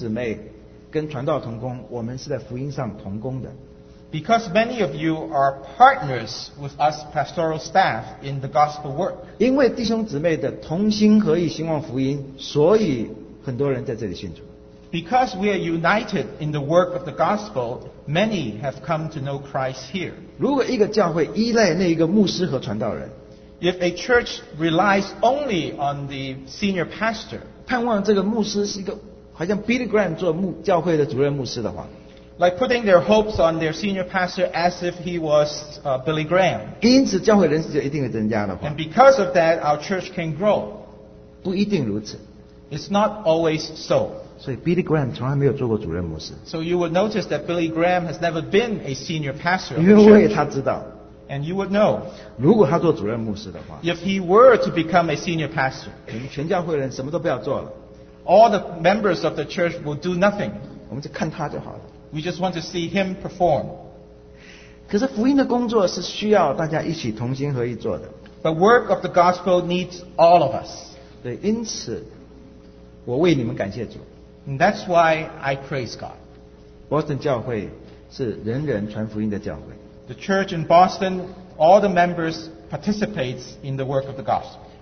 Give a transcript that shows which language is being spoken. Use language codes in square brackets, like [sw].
[zh] 因为我们教会许多弟兄姊妹跟传道同工, 我们是在福音上同工的。 [en] Because many of you are partners with us pastoral staff in the gospel work. [zh] 因为弟兄姊妹的同心合意兴旺福音, 所以很多人在这里信主。 [en] Because we are united in the work of the gospel, many have come to know Christ here. [zh] 如果一个教会依赖那一个牧师和传道人, [en] If a church relies only on the senior pastor, [zh] 盼望这个牧师是一个好像 Billy Graham做教会的主任牧师的话, [en] like putting their hopes on their senior pastor as if he was Billy Graham, [zh] 因此教会人数就一定会增加的话, [en] and because of that, our church can grow. [zh] 不一定如此。 [en] It's not always so. [zh] 所以 Billy Graham从来没有做过主任牧师。 [en] So you would notice that Billy Graham has never been a senior pastor. [zh] 因为他知道。 [en] And you would know, [zh] 如果他做主任牧师的话, [en] if he were to become a senior pastor, [zh] 全教会人什么都不要做了, [en] all the members of the church will do nothing. [zh] 我们就看他就好了。 [en] We just want to see him perform. [zh] 可是福音的工作是需要大家一起同心合意做的。 [en] The work of the gospel needs all of us. [zh] 对, 因此我为你们感谢主。 [en] And that's why I praise God. [zh] Boston教会是人人传福音的教会。 [en] The church in Boston, all the members participate in the work of the gospel.